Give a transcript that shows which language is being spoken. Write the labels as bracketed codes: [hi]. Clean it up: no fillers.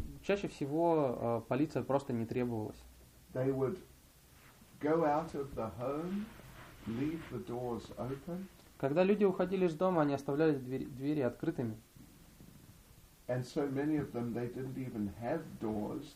[ru] Чаще всего полиция просто не требовалась. [en] They would go out of the home, leave the doors open. [ru] Когда люди уходили из дома, они оставляли двери открытыми. [en] And so many of them, they didn't even have doors.